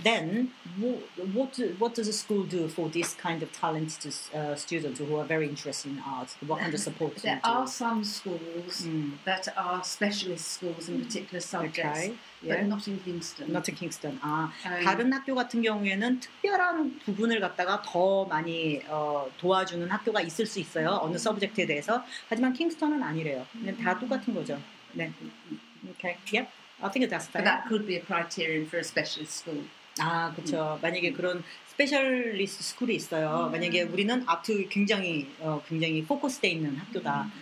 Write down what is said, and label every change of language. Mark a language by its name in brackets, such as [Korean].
[English] Then what does the school do for this kind of talented students who are very interested in art? What kind of support there do? Are some schools that are specialist schools in particular subjects. Okay. Yeah. But not in Kingston. Not in Kingston. [Korean] 아, 다른 학교 같은 경우에는 특별한 부분을 갖다가 더 많이 도와주는 학교가 있을 수 있어요. 어느 서브젝트에 대해서. 하지만 킹스턴은 아니래요. 그냥 다 똑같은 거죠. 네. [English] Okay. Yep. I think that's fair. But that could be a criterion for a specialist school. [Korean] 아, 그렇죠. 만약에 그런 스페셜리스트 스쿨이 있어요. 만약에 우리는 아트 굉장히 포커스돼 있는 학교다.